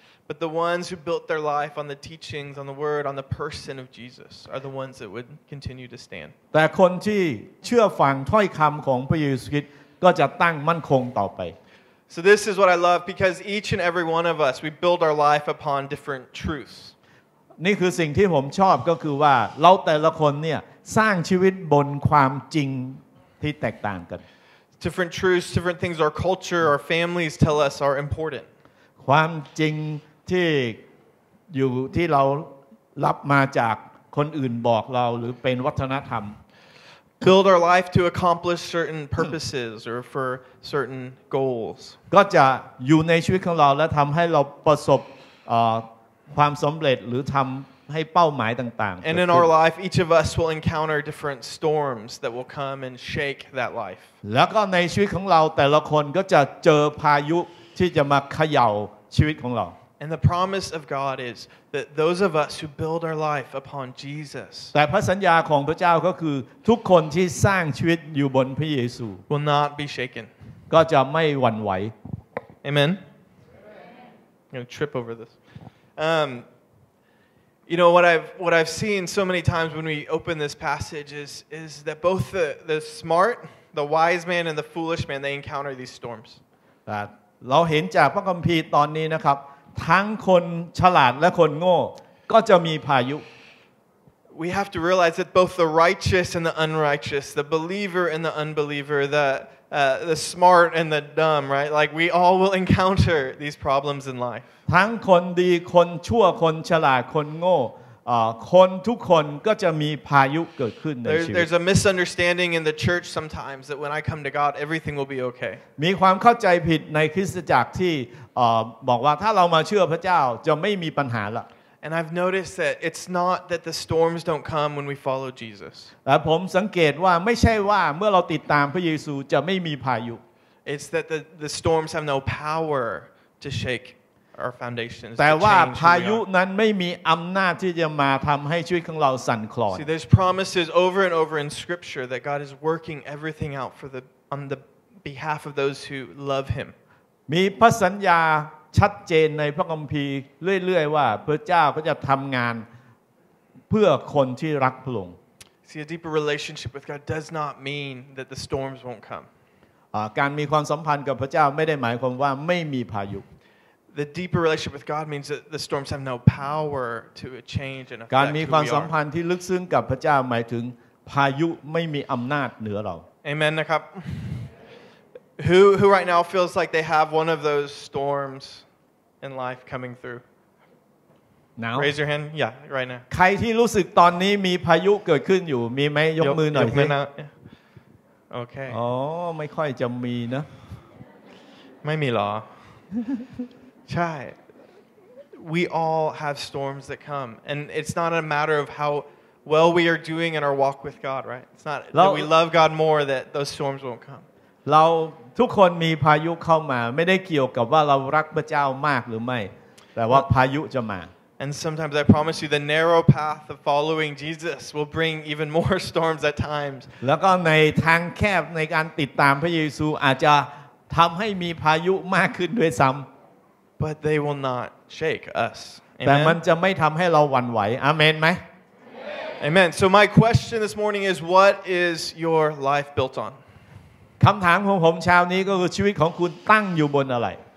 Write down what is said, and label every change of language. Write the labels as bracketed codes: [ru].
[en] but the ones who built their life on the teachings on the word on the person of Jesus are the ones that would continue to stand [th] แต่คนที่เชื่อฟังถ้อยคำของพระเยซูคริสต์ก็จะตั้งมั่นคงต่อไป [en] So this is what I love because each and every one of us we build our life upon different truths. [th] นี่คือสิ่งที่ผมชอบก็คือว่าเราแต่ละคนเนี่ยสร้างชีวิตบนความจริงที่แตกต่างกัน [en] Different truths, different things our culture, our families tell us are important. [th] ความจริงที่อยู่ที่เรารับมาจากคนอื่นบอกเราหรือเป็นวัฒนธรรม [en] Build our life to accomplish certain purposes or for certain goals. [th] ก็จะอยู่ในชีวิตของเราและทำให้เราประสบความสำเร็จหรือทำให้เป้าหมายต่างๆ [en] And in our life, each of us will encounter different storms that will come and shake that life. [th] แล้วก็ในชีวิตของเราแต่ละคนก็จะเจอพายุที่จะมาเขย่าชีวิตของเรา [en] And the promise of God is that those of us who build our life upon Jesus [th] แต่พระสัญญาของพระเจ้าก็คือทุกคนที่สร้างชีวิตอยู่บนพระเยซู [en] will not be shaken [th] ก็จะไม่หวั่นไหว [en] Amen I'm going to trip over this you know what I've seen so many times when we open this passage is that both the smart the wise man and the foolish man they encounter these storms [th] แต่เราเห็นจากพระคัมภีร์ตอนนี้นะครับทั้งคนฉลาดและคนโง่ก็จะมีพายุ [en] We have to realize that both the righteous and the unrighteous, the believer and the unbeliever, the smart and the dumb, right? Like we all will encounter these problems in life. [th] ทั้งคนดีคนชั่วคนฉลาดคนโง่คนทุกคนก็จะมีพายุเกิดขึ้นในชีวิต [en] There's a misunderstanding in the church sometimes that when I come to God, everything will be okay. [th] มีความเข้าใจผิดในคริสตจักรที่บอกว่าถ้าเรามาเชื่อพระเจ้าจะไม่มีปัญหาละ [en] And I've noticed that it's not that the storms don't come when we follow Jesus [th] และผมสังเกตว่าไม่ใช่ว่าเมื่อเราติดตามพระเยซูจะไม่มีพายุ [en] It's that the storms have no power to shake our foundations [th] แต่ว่าพายุนั้นไม่มีอำนาจที่จะมาทำให้ชีวิตของเราสั่นคลอน [en] See there's promises over and over in scripture that God is working everything out for the on the behalf of those who love him [th] มีพระสัญญาชัดเจนในพระคัมภีร์เรื่อยๆว่าพระเจ้าก็จะทำงานเพื่อคนที่รักพระองค์ [en] See a deeper relationship with God does not mean that the storms won't come [th] การมีความสัมพันธ์กับพระเจ้าไม่ได้หมายความว่าไม่มีพายุ [en] The deeper relationship with God means that the storms have no power to change and [th] การมีความสัมพันธ์ที่ลึกซึ้งกับพระเจ้าหมายถึงพายุไม่มีอำนาจเหนือเรา [en] Amen [th] นะครับ [en] Who right now feels like they have one of those storms in life coming through? Now? Raise your hand. Yeah, right now. [th] ใครที่รู้สึกตอนนี้มีพายุเกิดขึ้นอยู่มีไหมยกมือหน่อยสิ [en] Okay. [th] Oh, ไม่ค่อยจะมีนะ ไม่มีหรอใช่ [en] We all have storms that come. And it's not a matter of how well we are doing in our walk with God, right? It's not that we love God more that those storms won't come. [th] เราทุกคนมีพายุเข้ามาไม่ได้เกี่ยวกับว่าเรารักพระเจ้ามากหรือไม่แต่ว่าพายุจะมา [en] And sometimes I promise you the narrow path of following Jesus will bring even more storms at times [th] แล้วก็ในทางแคบในการติดตามพระเยซูอาจจะทำให้มีพายุมากขึ้นด้วยซ้ำ [en] But they will not shake us [th] แต่มันจะไม่ทำให้เราหวั่นไหวอาเมนไหม [en] Amen So my question this morning is what is your life built on [th] คำถามของผมเช้านี้ก็คือชีวิตของคุณตั้งอยู่บนอะไร